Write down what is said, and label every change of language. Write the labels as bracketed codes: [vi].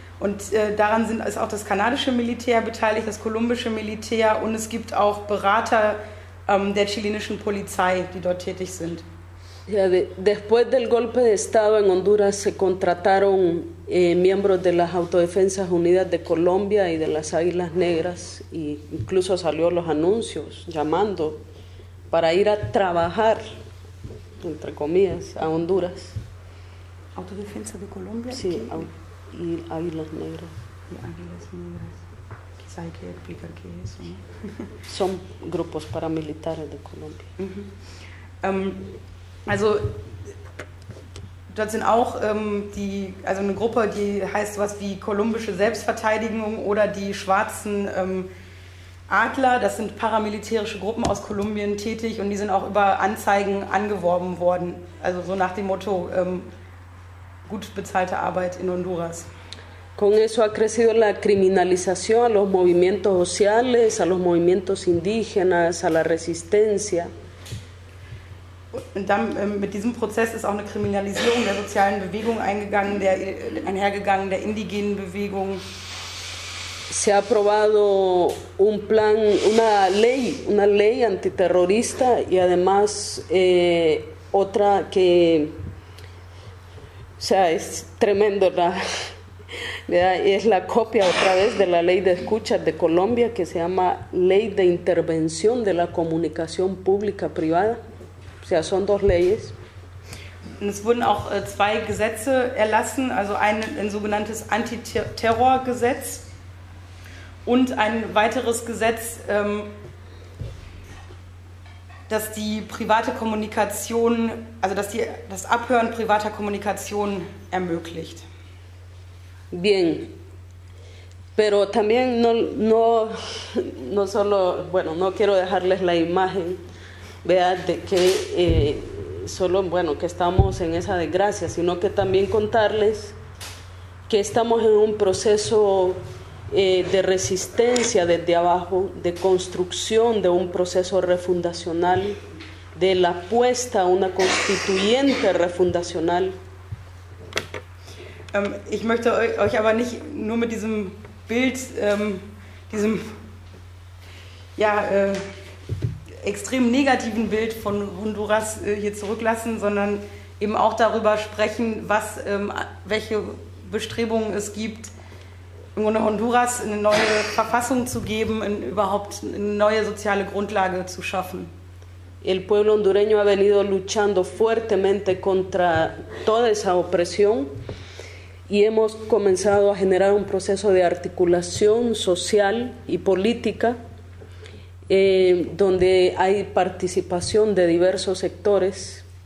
[de] Und daran sind ist auch das kanadische Militär beteiligt, das kolumbische Militär und es gibt auch Berater der chilenischen Polizei, die dort tätig sind. [es] Ja, después del golpe de Estado en Honduras se contrataron miembros de las Autodefensas Unidas de Colombia y de las Águilas Negras e incluso salió los anuncios llamando para ir a trabajar, entre comillas, a Honduras. ¿Autodefensa de Colombia? Sí, y Águilas Negras. Y Águilas Negras. Quizá hay que explicar qué es. ¿No? Son grupos paramilitares de Colombia. [de] Also dort sind auch die, also eine Gruppe, die heißt was wie kolumbische Selbstverteidigung oder die schwarzen Adler, das sind paramilitärische Gruppen aus Kolumbien tätig und die sind auch über Anzeigen angeworben worden, also so nach dem Motto gut bezahlte Arbeit in Honduras. [es] Con eso ha crecido la criminalización a los movimientos sociales, a los movimientos indígenas, a la resistencia. [de] Und dann mit diesem Prozess ist auch eine Kriminalisierung der sozialen Bewegung eingegangen, der einhergegangen der indigenen Bewegung. [es] Se ha aprobado un plan, una ley antiterrorista y además otra que, o sea, es tremendo, es la copia otra vez de la ley de escuchas de Colombia que se llama Ley de Intervención de la Comunicación Pública Privada. Ja, son dos leyes. [de] Es wurden auch zwei Gesetze erlassen, also ein sogenanntes Antiterrorgesetz und ein weiteres Gesetz, dass die private Kommunikation, also dass die, das Abhören privater Kommunikation ermöglicht. [es] Bien. Pero también no solo, bueno, no quiero dejarles la imagen. Vea de que solo bueno que estamos en esa desgracia, sino que también contarles que estamos en un proceso de resistencia desde abajo, de construcción de un proceso refundacional, de la puesta a una constituyente refundacional. [de] Ich möchte euch aber nicht nur mit diesem Bild, diesem, ja, extrem negativen Bild von Honduras hier zurücklassen, sondern eben auch darüber sprechen, was, welche Bestrebungen es gibt, um Honduras eine neue Verfassung zu geben, überhaupt eine neue soziale Grundlage zu schaffen. [es] El pueblo hondureño ha venido luchando fuertemente contra toda esa opresión y hemos comenzado a generar un proceso de articulación social y política. Donde hay participación de diversos sectores.